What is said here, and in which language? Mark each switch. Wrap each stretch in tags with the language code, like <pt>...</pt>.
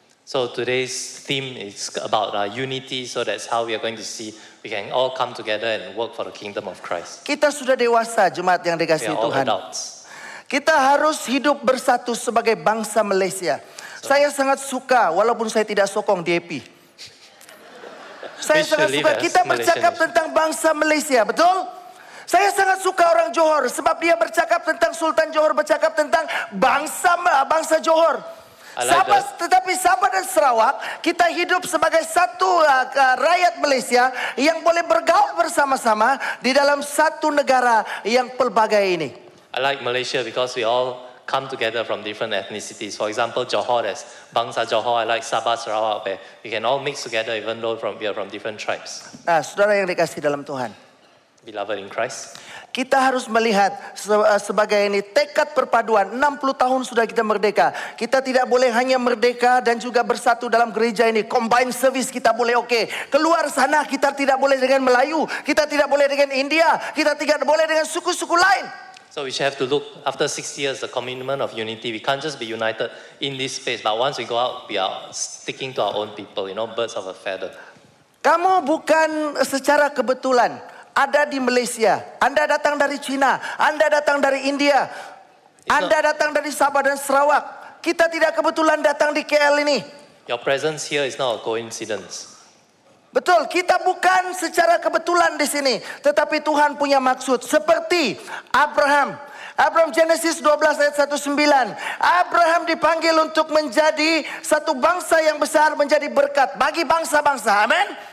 <en>So today's theme is about unity, so that's how we are going to see we can all come together and work for the kingdom of Christ.</en> <ms>Kita sudah dewasa, jemaat yang dikasihi Tuhan.</ms> <en>We are all adults.</en> <ms>Kita harus hidup bersatu sebagai bangsa Malaysia. So, saya sangat suka, walaupun saya tidak sokong DAP. Saya sangat suka, kita bercakap tentang bangsa Malaysia, betul? Saya sangat suka orang Johor, sebab dia bercakap tentang Sultan Johor, bercakap tentang bangsa Johor. Sabah, tetapi Sabah dan Sarawak, kita hidup sebagai satu rakyat Malaysia yang boleh bergaul bersama-sama di dalam satu negara yang pelbagai ini.</ms> <en>I like Malaysia because we all come together from different ethnicities. For example, Johor, as Bangsa Johor. I like Sabah, Sarawak. We can all mix together even though we are from different tribes.</en> <ms>Nah, saudara yang dikasihi dalam Tuhan.</ms> <en>Beloved in Christ.</en> <ms>Kita harus melihat sebagai ini tekad perpaduan. 60 tahun sudah kita merdeka. Kita tidak boleh hanya merdeka dan juga bersatu dalam gereja ini. Combine service kita boleh okay. Keluar sana kita tidak boleh dengan Melayu. Kita tidak boleh dengan India. Kita tidak boleh dengan suku-suku lain.</ms> <en>So we should have to look after 60 years, the commitment of unity. We can't just be united in this space. But once we go out, we are sticking to our own people. You know, birds of a feather.</en> <ms>Kamu bukan secara kebetulan ada di Malaysia. Anda datang dari China. Anda datang dari India. Anda datang dari Sabah dan Sarawak. Kita tidak kebetulan datang di KL ini.</ms> <en>Your presence here is not a coincidence.</en> <ms>Betul, kita bukan secara kebetulan di sini. Tetapi Tuhan punya maksud. Seperti Abraham. Abraham Genesis 12 ayat 19. Abraham dipanggil untuk menjadi satu bangsa yang besar, menjadi berkat bagi bangsa-bangsa. Amen.</ms>